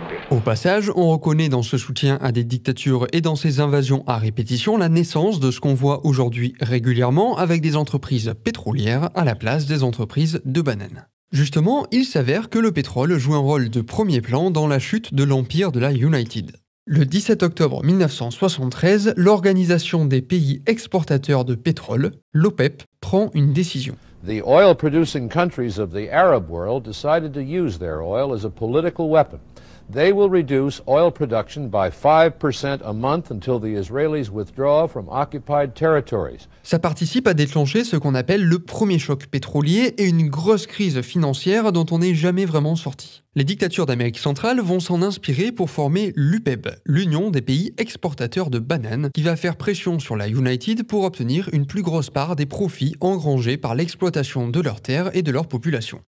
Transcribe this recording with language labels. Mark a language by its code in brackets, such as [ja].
[fr] Au passage, on reconnaît dans ce soutien à des dictatures et dans ces invasions à répétition la naissance de ce qu'on voit aujourd'hui régulièrement avec des entreprises pétrolières à la place des entreprises de bananes. Justement, il s'avère que le pétrole joue un rôle de premier plan dans la chute de l'empire de la United. Le 17 octobre 1973, l'Organisation des pays exportateurs de pétrole, l'OPEP, prend une décision. [en] The oil producing countries of the Arab world decided to use their oil as a political weapon. They will reduce oil production by 5% a month until the Israelis withdraw from occupied territories. [fr] Ça participe à déclencher ce qu'on appelle le premier choc pétrolier et une grosse crise financière dont on n'est jamais vraiment sorti. Les dictatures d'Amérique centrale vont s'en inspirer pour former l'UPEB, l'Union des pays exportateurs de bananes, qui va faire pression sur la United pour obtenir une plus grosse part des profits engrangés par l'exploitation de leurs terres et de leur population.